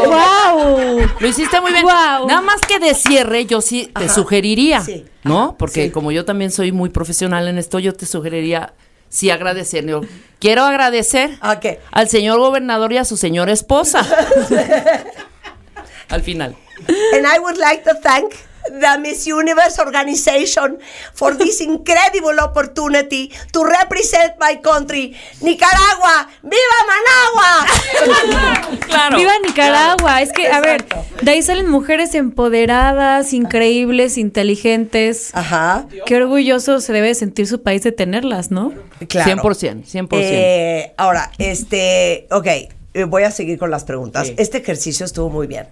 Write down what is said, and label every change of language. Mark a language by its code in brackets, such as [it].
[es] O sea, wow. Lo hiciste muy bien. Wow. Nada más que de cierre, yo sí te ajá. sugeriría, sí. ¿no? Porque sí. como yo también soy muy profesional en esto, yo te sugeriría sí agradecer. Yo quiero agradecer [en] okay. [es] al señor gobernador y a su señora esposa. Al final. [en] And I would like to thank the Miss Universe organization for this incredible opportunity to represent my country, Nicaragua. [es] ¡Viva Managua! Claro. ¡Viva Nicaragua! Claro. Es que, a exacto. ver, de ahí salen mujeres empoderadas, increíbles, inteligentes. Ajá. Qué orgulloso se debe sentir su país de tenerlas, ¿no? Claro. 100%, 100%. Ahora, ok. Voy a seguir con las preguntas. Sí. Este ejercicio estuvo muy bien.